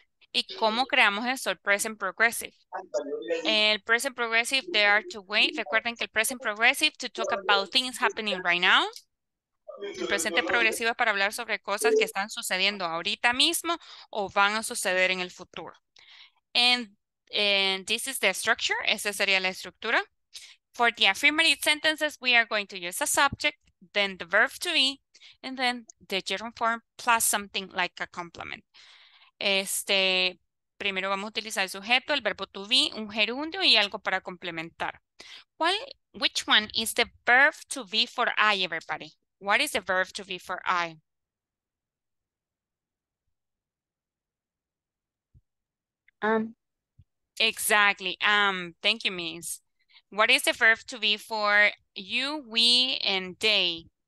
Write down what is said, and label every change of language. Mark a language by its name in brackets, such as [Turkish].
[Spanish] ¿Y cómo creamos eso, el present progressive? El present progressive, [English] there are two ways. [Spanish] Recuerden que el [English] present progressive to talk about things happening right now. [Spanish] El presente progresivo es para hablar sobre cosas que están sucediendo ahorita mismo o van a suceder en el futuro. [English] And this is the structure. [Spanish] Esa sería la estructura. [English] For the affirmative sentences, we are going to use a subject, then the verb to be, and then the gerund form plus something like a complement. [Spanish] Primero vamos a utilizar el sujeto, el verbo to be, un gerundio y algo para complementar. [English] Which one is the verb to be for I, everybody? What is the verb to be for I? Exactly. Thank you, Miss. What is the verb to be for you, we, and they?